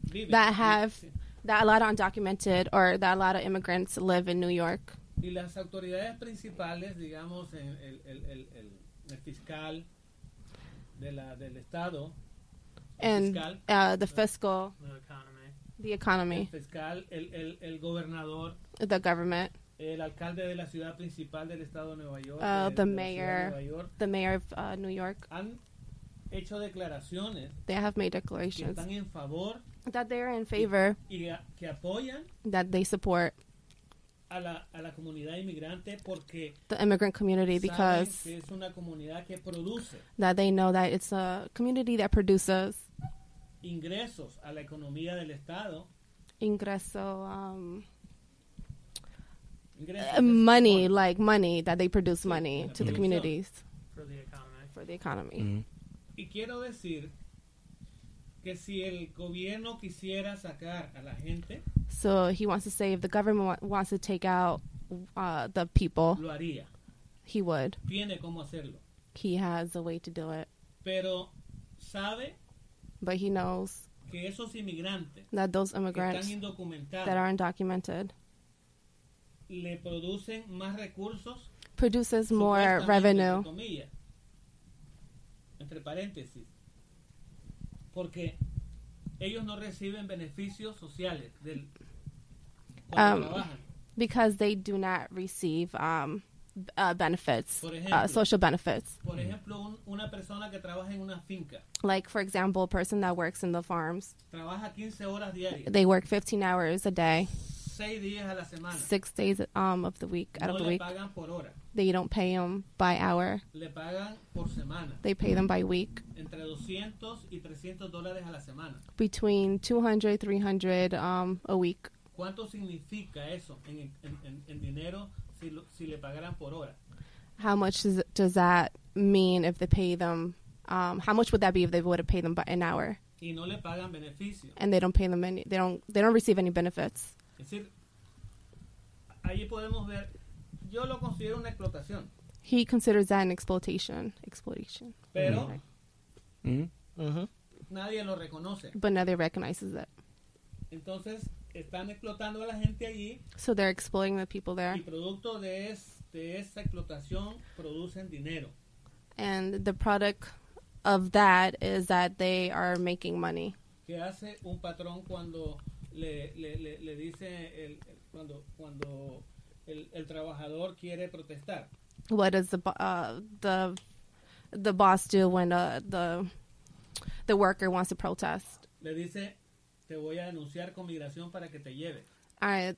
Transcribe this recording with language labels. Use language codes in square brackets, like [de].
[en] That a lot of undocumented or that a lot of immigrants live in New York. [es] Y las autoridades principales, digamos, en el fiscal del estado, [en] and the fiscal, the economy, the [es] fiscal, el gobernador, [en] the government, [es] el alcalde de la ciudad principal del estado de Nueva York, [en] the mayor, the mayor of New York, [es] han hecho declaraciones, [en] they have made declarations, [es] que están en favor, [en] that they are in favor, [es] y que apoyan, [en] that they support, [es] a la comunidad inmigrante porque [en] the immigrant community, because [es] saben que es una comunidad que produce, [en] that they know that it's a community that produces [es] ingresos a la economía del estado, [en] ingreso, money, like money, that they produce money to the communities, for the economy. [es] Y quiero decir que si el gobierno quisiera sacar a la gente, [en] so he wants to say if the government wants to take out the people, [es] lo haría. [en] He would. [es] Tiene cómo hacerlo. [en] He has a way to do it. [es] Pero sabe, [en] but he knows [es] que esos inmigrantes, [en] that those immigrants [es] que están indocumentados, [en] that are undocumented, [es] le producen más recursos, [en] produces more revenue, [es] entre comillas, entre paréntesis, porque ellos no reciben beneficios sociales del trabajan. [en] Because they do not receive benefits, [es] por ejemplo, [en] social benefits. [es] Por ejemplo, una persona que trabaja en una finca. [en] Like, for example, a person that works in the farms. [es] Trabaja 15 horas diarias. [en] They work 15 hours a day. [es] 6 días a la semana. [en] 6 days of the week, [es] no [en] out of [es] le [en] the week. [es] Pagan por hora. [en] They don't pay them by hour. [es] Le pagan por semana. [en] They pay them by week. [es] Entre 200 y 300 dólares a la semana. [en] Between 200 and 300 a week. [es] ¿Cuánto significa eso en dinero si le pagaran por hora? [en] How much does that mean if they pay them? How much would that be if they would have paid them by an hour? [es] Y no le pagan beneficio. [en] And they don't pay them any. They don't receive any benefits. [es] Es decir, ahí podemos ver. Yo lo considero una explotación. [en] He considers that an exploitation. [es] Pero Nadie lo reconoce. [en] But nobody recognizes it. [es] Entonces están explotando a la gente allí. [en] So they're exploiting the people there. [es] Y producto de esa explotación producen dinero. [en] And the product of that is that they are making money. [es] ¿Qué hace un patrón cuando le dice el cuando el trabajador quiere protestar? [en] What does the boss do when the worker wants to protest? [es] Le dice, te voy a denunciar con migración para que te lleve.